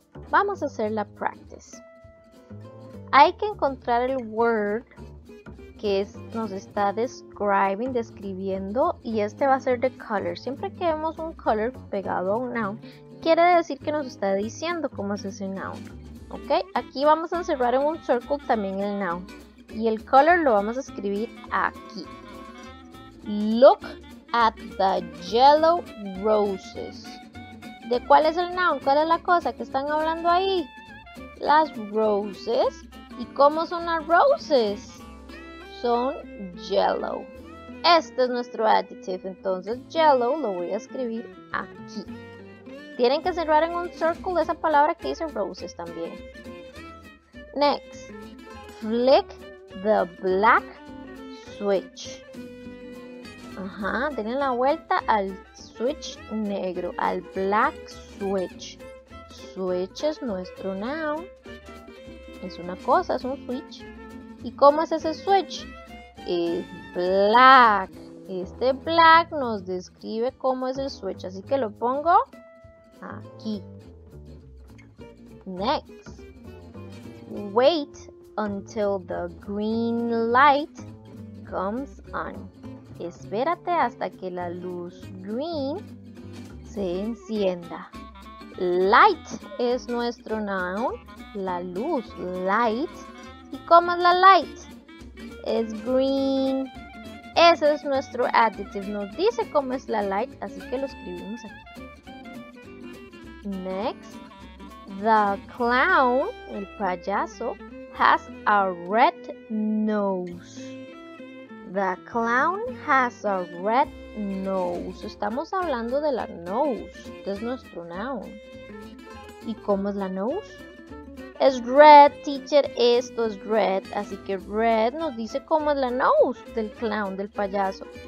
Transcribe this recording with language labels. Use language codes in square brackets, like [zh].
[es] Vamos a hacer la practice. Hay que encontrar el word que nos está describiendo y este va a ser the color. Siempre que vemos un color pegado a un noun, quiere decir que nos está diciendo cómo es ese noun. ¿Ok? Aquí vamos a encerrar en un circle también el noun. Y el color lo vamos a escribir aquí. [en] Look at the yellow roses. [es] ¿De cuál es el noun? ¿Cuál es la cosa que están hablando ahí? Las roses. ¿Y cómo son las roses? Son yellow. Este es nuestro adjective, entonces yellow lo voy a escribir aquí. Tienen que cerrar en un circle esa palabra que dice roses también. [en] Next, flick the black switch. [es] Ajá, denle la vuelta al switch negro, al black switch. Switch es nuestro noun. Es una cosa, es un switch. ¿Y cómo es ese switch? Es black. Este black nos describe cómo es el switch, así que lo pongo aquí. [en] Next, wait until the green light comes on. [es] Espérate hasta que la luz green se encienda. Light es nuestro noun, la luz, light. ¿Y cómo es la light? Es green. Ese es nuestro adjective. Nos dice cómo es la light, así que lo escribimos aquí. [en] Next, the clown, [es] el payaso, [en] has a red nose. The clown has a red nose. [es] Estamos hablando de la nose, que es nuestro noun. ¿Y cómo es la nose? Es red, teacher, esto es red. Así que red nos dice cómo es la nose del clown, del payaso.